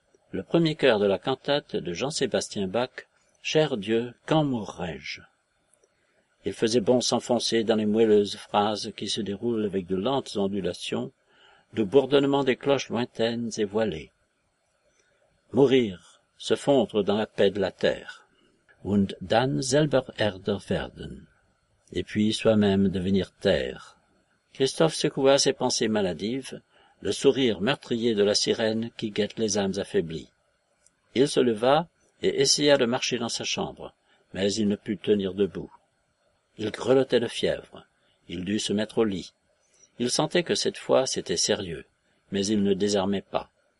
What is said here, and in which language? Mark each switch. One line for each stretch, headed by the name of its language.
French: Le premier cœur de la cantate de Jean-Sébastien Bach, « Cher Dieu, quand mourrai-je ?» Il faisait bon s'enfoncer dans les moelleuses phrases qui se déroulent avec de lentes ondulations, de bourdonnements des cloches lointaines et voilées. Mourir, se fondre dans la paix de la terre.
German: Und dann selber Erde werden.
French: Et puis soi-même devenir terre. Christophe secoua ses pensées maladives, le sourire meurtrier de la sirène qui guette les âmes affaiblies. Il se leva et essaya de marcher dans sa chambre, mais il ne put tenir debout. Il grelottait de fièvre. Il dut se mettre au lit. Il sentait que cette fois c'était sérieux, mais il ne désarmait pas.